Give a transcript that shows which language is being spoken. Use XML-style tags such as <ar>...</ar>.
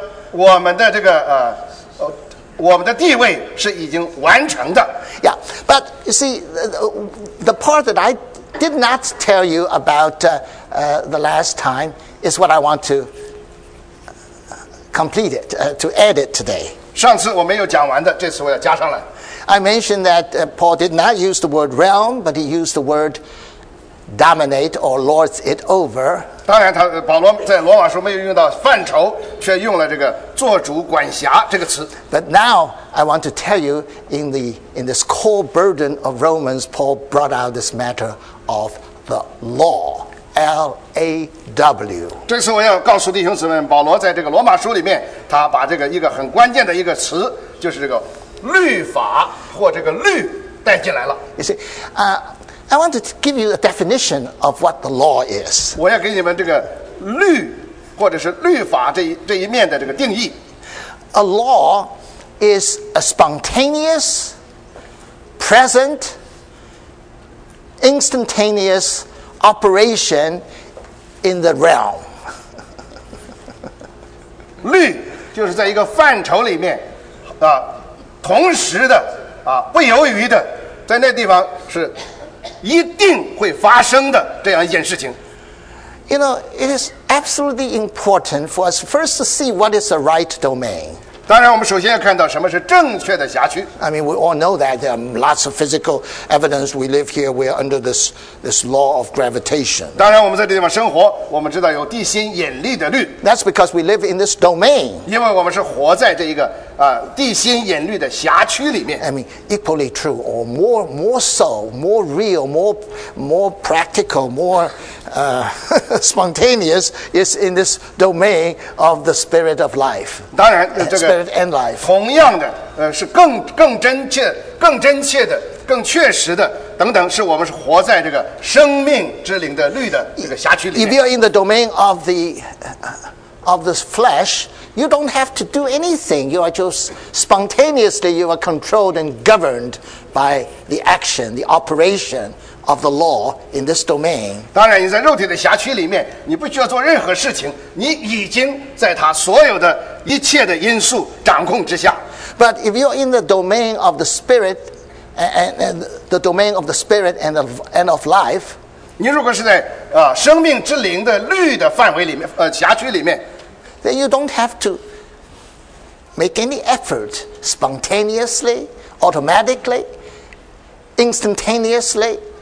<zh>我们的这个我们的地位是已经完成的。</zh> <en>Yeah, but you see, the part that I did not tell you about the last time is what I want to. Complete it, to add it today.</en> <zh>上次我没有讲完的，这次我要加上来。</zh> <en>I mentioned that Paul did not use the word realm, but he used the word dominate or lords it over.</en> <zh>当然他保罗在罗马书没有用到范畴，却用了这个做主管辖这个词。</zh> <en>But now I want to tell you in this core burden of Romans, Paul brought out this matter of the law. L-A-W.</en> <zh>这次我要告诉弟兄姊妹，保罗在这个罗马书里面，他把这个一个很关键的一个词，就是这个律法或这个律带进来了。</zh> <en>You see, I want to give you a definition of what the law is.</en> <zh>我要给你们这个律或者是律法这一面的这个定义。</zh> <en>A law is a spontaneous, present, instantaneous. Operation in the realm.</en> <zh>律就是在一个范畴里面，同时的不犹豫的，在那地方是一定会发生的这样一件事情。</zh> <en>You know, it is absolutely important for us first to see what is the right domain.</en> <zh>当然我们首先要看到什么是正确的辖区。</zh> <en>I mean, we all know that there are lots of physical evidence. We live here, we are under this law of gravitation.</en> <zh>当然我们在这地方生活，我们知道有地心引力的律。</zh> <en>That's because we live in this domain.</en> <zh>因为我们是活在这一个地心引力的辖区里面。</zh> <en>I mean, equally true, or more real, more practical, more spontaneous is in this domain of the spirit of life.</en> <zh>当然，这个</zh> <en>spirit and life.</en> <zh>同样的，是更真切的、更确实的等等，是我们是活在这个生命之灵的律的这个辖区里面。</zh> <en>If you're in the domain of the flesh. You don't have to do anything. You are just spontaneously, you are controlled and governed by the action, the operation of the law in this domain.</en> <zh>当然你在肉体的辖区里面，你不需要做任何事情，你已经在他所有的一切的因素掌控之下。</zh> <en>But if you're in the domain of the spirit and the domain of the spirit and of life,</en> <zh>你如果是在生命之灵的律的范围里面，辖区里面。</zh> <en>Then you don't have to make any effort spontaneously, automatically, instantaneously.</en>